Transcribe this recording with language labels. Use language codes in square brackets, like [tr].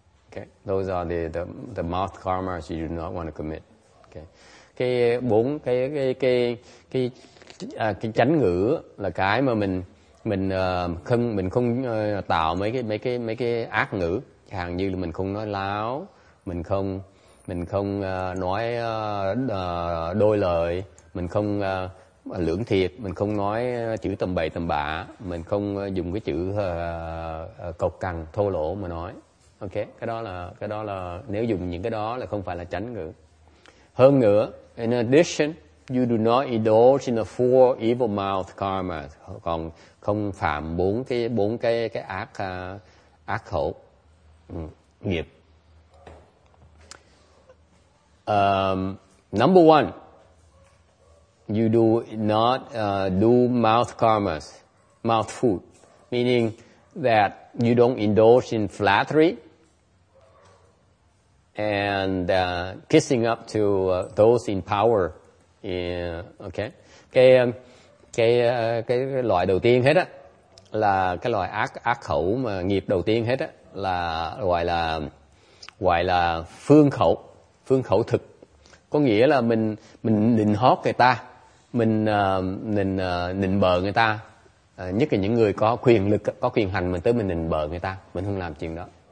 [en] Okay, those are the mouth karmas you do not want to commit. Okay, [vi] cái chánh ngữ là cái mà mình không tạo mấy cái ác ngữ. Chẳng như là mình không nói láo, mình không nói đôi lời, mình không lưỡng thiệt, mình không nói chữ tầm bậy tầm bạ, mình không dùng cái chữ cộc cằn thô lỗ mà nói. Ok, cái đó là nếu dùng những cái đó là không phải là chánh ngữ. Hơn nữa, [en] in addition, you do not indulge in the four evil mouth karma, [vi] còn không phạm bốn cái ác ác khẩu nghiệp. [en] Number one, you do not do mouth karmas, mouth food, meaning that you don't indulge in flattery and kissing up to those in power. Yeah, okay. [vi] Cái loại đầu tiên hết á là cái loại ác khẩu mà nghiệp đầu tiên hết á là gọi là phương khẩu thực. Có nghĩa là mình nịnh hót người ta, mình nịnh bợ người ta, nhất là những người có quyền lực, có quyền hành, mình tới mình nịnh bợ người ta, mình không làm chuyện đó.